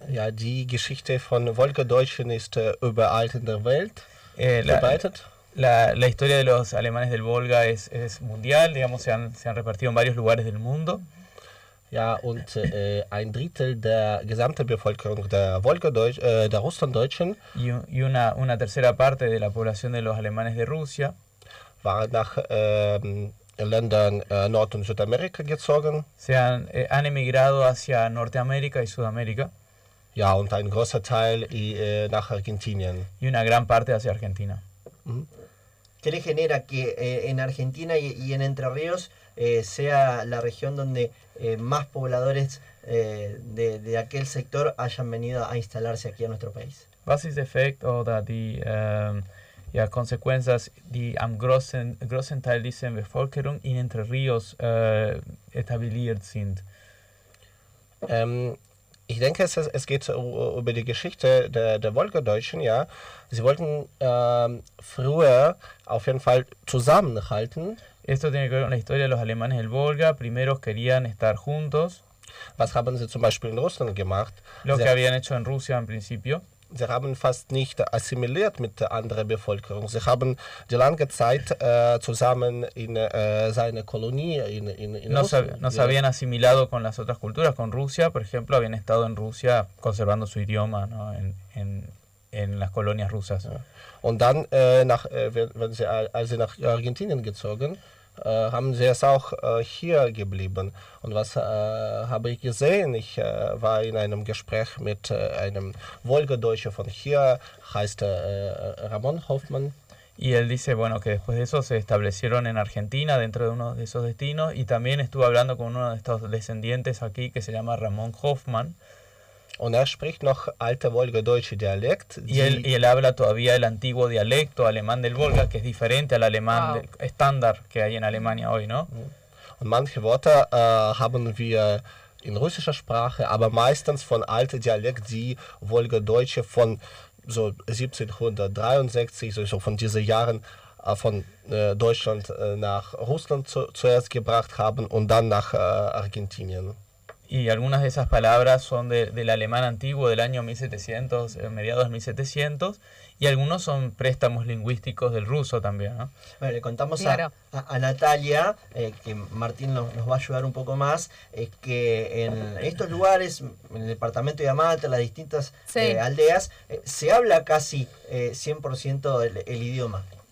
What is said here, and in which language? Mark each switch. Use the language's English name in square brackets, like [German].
[German] Ja, die Geschichte von Volga-Deutschen ist überall in der Welt verbreitet. [Spanish] La historia de los alemanes del Volga es mundial, digamos, se han repartido en varios lugares del mundo. [German] Ja, und ein Drittel der gesamten Bevölkerung der Volga-Deutsch, der Russland-Deutschen. [Spanish] Y una tercera parte de la población de los alemanes de Rusia. [German] War nach Ländern Nord- und Südamerika gezogen. [Spanish] Se han emigrado hacia Norteamérica y Sudamérica. [German] Ja, und ein großer Teil nach Argentinien. [Spanish] Y una gran parte hacia Argentina. ¿Qué le genera que en Argentina y en Entre Ríos sea la región donde más pobladores de aquel sector hayan venido a instalarse aquí a nuestro país? [German] Was ist der Effekt oder die Konsequenzen, die am großen Teil dieser Bevölkerung in Entre Ríos etabliert sind? Ich denke, es geht über die Geschichte der Volga-Deutschen, ja. Sie wollten früher auf jeden Fall zusammenhalten. [Spanish] Esto tiene que ver con la historia de los alemanes del Volga. Primero querían estar juntos. [German] Was haben sie zum Beispiel in Russland gemacht? [Spanish] Lo que habían hecho en Rusia al principio. [German] Sie haben fast nicht assimiliert mit der anderen Bevölkerung. Sie haben die lange Zeit zusammen in seiner Kolonie in Russland. [Spanish] No se habían asimilado con las otras culturas, con Rusia, por ejemplo, habían estado en Rusia conservando su idioma, ¿no? En las colonias rusas. [German] Ja. Und dann, als sie nach Argentinien gezogen haben sie es auch hier geblieben. Und was habe ich gesehen? Ich war in einem Gespräch mit einem Wolgadeutscher von hier, heißt Ramon Hoffmann. [Spanish] Y él dice, bueno, que después de eso se establecieron en Argentina, dentro de uno de esos destinos, y también estuvo hablando con uno de estos descendientes aquí, que se llama Ramón Hoffmann. [German] Und spricht noch alte Volga-Deutsche Dialekt, [Spanish] y él habla todavía el antiguo dialecto alemán del Volga, que es diferente al alemán estándar que hay en Alemania hoy, ¿no? [German] Und manche Worte haben wir in russischer Sprache, aber meistens von alte Dialekt, die Volga-Deutsche von so 1763, so von diesen Jahren von Deutschland nach Russland zuerst gebracht haben und dann nach Argentinien. [Spanish] Y algunas de esas palabras son del alemán antiguo del año 1700, mediados 1700, y algunos son préstamos lingüísticos del ruso también, ¿no? Bueno, le contamos a Natalia, que Martín nos va a ayudar un poco más, que en estos lugares, en el departamento de Amate, las distintas aldeas, se habla casi 100% el idioma.